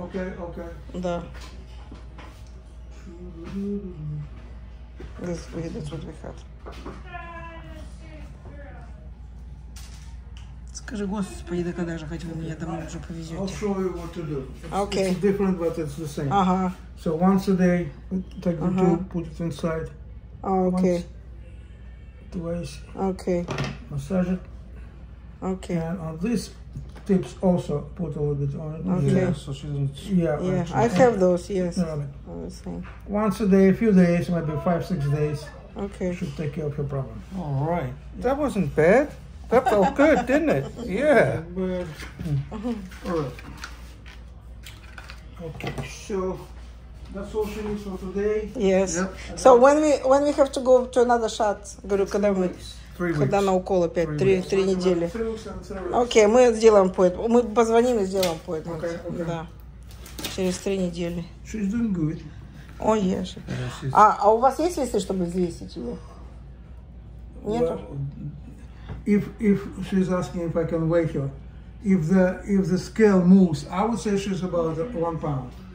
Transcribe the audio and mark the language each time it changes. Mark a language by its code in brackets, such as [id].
[en] Okay. [ru] Да. Господи, это тут выход. Скажи, господи, да когда же, хоть вы меня домой уже повезете. [en] I'll show you what to do. It's, okay. It's different, but it's the same. Ага. So once a day, take the tube, put it inside. Okay. Once, twice. Okay. Massage it. Okay. And on this tips also put a little bit on it. Okay. Yeah, so she doesn't. Yeah, I have those, yes. You know what I mean? Once a day, a few days, maybe 5-6 days. Okay. Should take care of your problem. All right. Yeah. That wasn't bad. That felt good, didn't it? Yeah. But, all right. Okay, so that's all she needs for today. Yes. Yep. So when we have to go to another shot, [ru] говорю, когда мы. Когда на укол опять? Три недели. Окей, мы сделаем по этому. Мы позвоним и сделаем по этому. Да. Через 3 недели. [en] She's doing good. О, yes. [ru] А у вас есть весы, чтобы взвесить его? Нету? [en] Well, if she's asking if I can weigh her, if the scale moves, I would say she's about 1 pound.